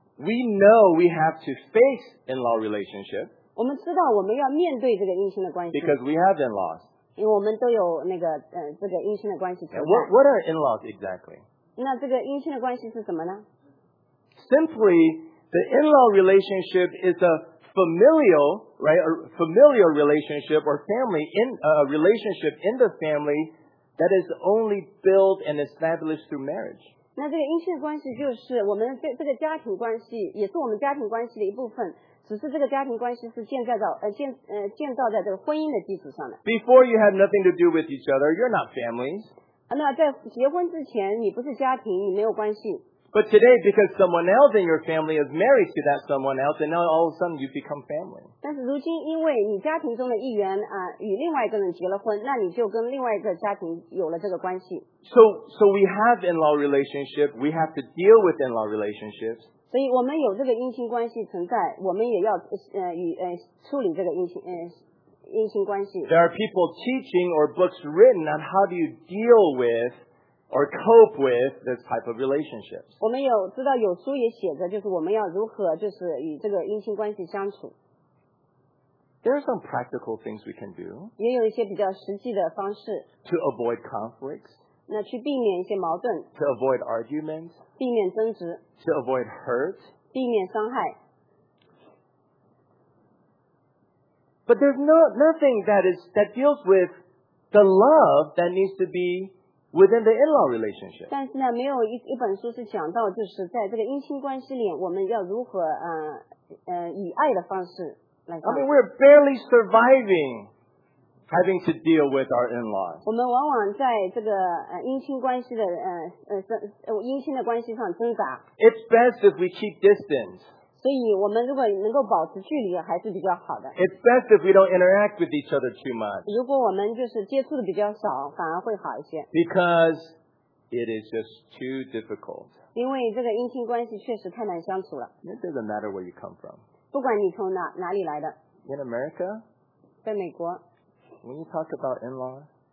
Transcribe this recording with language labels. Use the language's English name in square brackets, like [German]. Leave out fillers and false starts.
[English] We know we have to face in-law relationship. [Chinese] 我们知道我们要面对这个姻亲的关系。 [English] Because we have in-laws. [Chinese] 因为我们都有那个这个姻亲的关系存在。 [English] What are in-laws exactly? [Chinese] 那这个姻亲的关系是什么呢 [English] ？Simply, the in-law relationship is a familial. Right, a familial relationship or family in a relationship in the family that is only built and established through marriage. [Chinese] 那这个姻亲关系就是我们这个家庭关系，也是我们家庭关系的一部分。只是这个家庭关系是建造在这个婚姻的基础上的。 [English] Before you have nothing to do with each other, you're not families. [Chinese] 那在结婚之前，你不是家庭，你没有关系。 [English] But today, because someone else in your family is married to that someone else, and now all of a sudden you become family. [Chinese] 但是如今因为你家庭中的一员啊，与另外一个人结了婚，那你就跟另外一个家庭有了这个关系。 [English] So we have in-law relationship. We have to deal with in-law relationships. [Chinese] 所以我们有这个姻亲关系存在，我们也要处理这个姻亲关系。 [English] There are people teaching or books written on how do you deal with. Or cope with this type of relationships. [Chinese] 我们有知道有书也写着，就是我们要如何就是与这个姻亲关系相处。 [English] There are some practical things we can do. [Chinese] 也有一些比较实际的方式。 [English] To avoid conflicts. [Chinese] 那去避免一些矛盾。 [English] To avoid arguments. [Chinese] 避免争执。 [English] To avoid hurt. [Chinese] 避免伤害。 [English] But there's nothing that deals with the love that needs to be. Within the in-law relationship. [Chinese] 但是呢，没有一本书是讲到，就是在这个姻亲关系里，我们要如何以爱的方式来。 [English] I mean, we're barely surviving having to deal with our in-laws. [Chinese] 我们往往在这个姻亲关系的姻亲的关系上挣扎。 [English] It's best if we keep distance. [Chinese] 所以我们如果能够保持距离，还是比较好的。 [English] It's best if we don't interact with each other too much. [Chinese] 如果我们就是接触的比较少，反而会好一些。 [English] Because it is just too difficult. [Chinese] 因为这个姻亲关系确实太难相处了。 [English] It doesn't matter where you come from. [Chinese] 不管你从哪里来的。 [English] In America? [Chinese] 在美国。 [English] When you talk about in-laws?